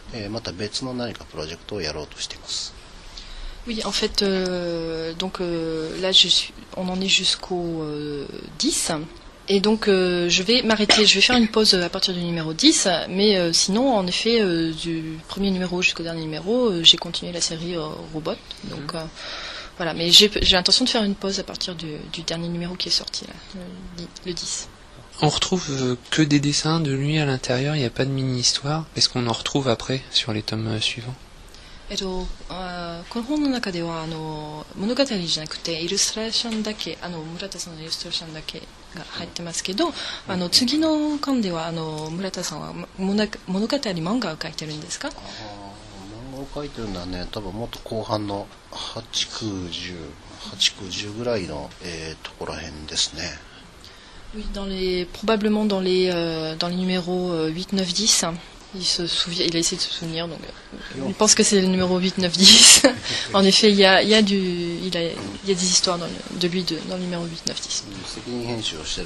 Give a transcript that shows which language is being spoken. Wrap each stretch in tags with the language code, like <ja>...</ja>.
<ja>また別の何かプロジェクトをやろうとしています。はい、えっと、</ja> <fr>donc là je suis, on en est jusqu'au 10 et donc je vais m'arrêter, je vais faire une pause à partir du numéro 10, mais sinon en effet du premier numéro jusqu'au dernier numéro, j'ai continué la série Robot. Donc voilà, mais j'ai l'intention de faire une pause à partir du dernier numéro qui est sorti là, le 10. on retrouve que des dessins de lui à l'intérieur, il n'y a pas de mini-histoire. Est-ce qu'on en retrouve après sur les tomes suivants ?</fr> <ja>この本の中ではあの物語じゃなくてイルストレーションだけあの村田さんのイルストレーションだけが入ってますけど、あの次の巻ではあの村田さんは物語漫画を描いてるんですか？あ、漫画を描いてるのはね、多分もっと後半の8、9、10ぐらいの、ところら辺ですね。</ja> <fr>Oui, dans les, probablement dans les numéros 8, 9, 10. Il se souvient, il a essayé de se souvenir, donc il pense que c'est le numéro 8, 9, 10. En effet, il y a des histoires de lui dans le numéro 8, 9, 10.</fr>